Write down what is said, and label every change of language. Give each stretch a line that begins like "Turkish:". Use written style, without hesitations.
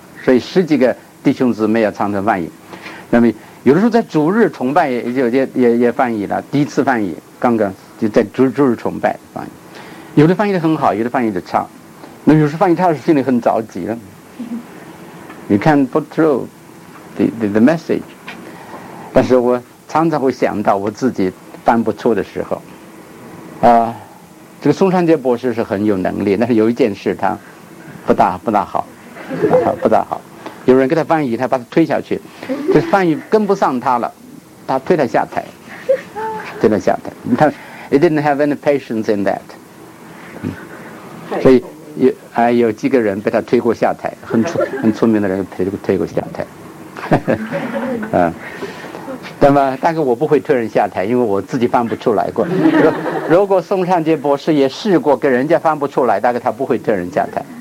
Chinese: 所以十几个弟兄姊妹要常常翻译，那么有的时候在主日崇拜也翻译了，第一次翻译，刚刚就在主日崇拜翻译，有的翻译得很好，有的翻译得差，那有时翻译差是心里很着急了，你看
English: put through the message，
Chinese: 但是我常常会想到我自己翻不出的时候，啊，这个松山杰博士是很有能力，但是有一件事他不大好。不大好，有人给他翻译，他把他推下去，就是翻译跟不上他了，他推他下台。真的想他，他
English: he didn't have any patience in that。
Chinese: 所以有哎有几个人被他推过下台，很聪明的人推过下台。嗯，那么但是我不会推人下台，因为我自己翻不出来过。如果宋尚杰博士也试过跟人家翻不出来，大概他不会推人下台。